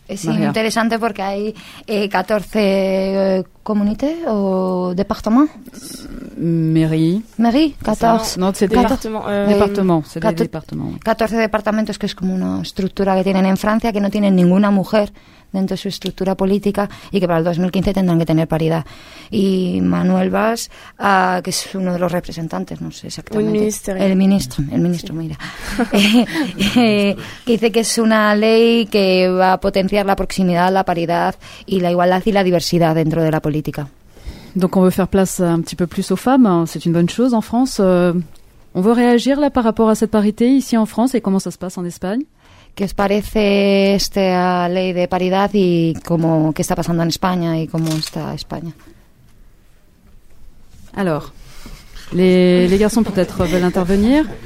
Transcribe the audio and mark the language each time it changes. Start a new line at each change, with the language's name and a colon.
French: C'est intéressant parce qu'il y a 14 communautés ou départements. Mairie, 14. Non, c'est département. Département, c'est des départements. 14 départements, que c'est comme une structure qu'ils ont en France qui n'ont aucune femme.
Spanish: Dentro de su estructura política y que para el 2015 tendrán que tener paridad. Y Manuel Valls, que es uno de los representantes, no sé exactamente. El ministro, sí. Mira. que dice que es una ley que va a potenciar la proximidad, la paridad y la igualdad y la diversidad dentro de la política.
French: Donc on veut faire place un petit peu plus aux femmes, c'est une bonne chose en France. On veut réagir là par rapport à cette parité ici en France et comment ça se passe en Espagne?
Spanish: ¿Qué os parece esta ley de paridad y cómo qué está pasando en España y cómo está España?
French: Alors, les garçons peut-être veulent intervenir.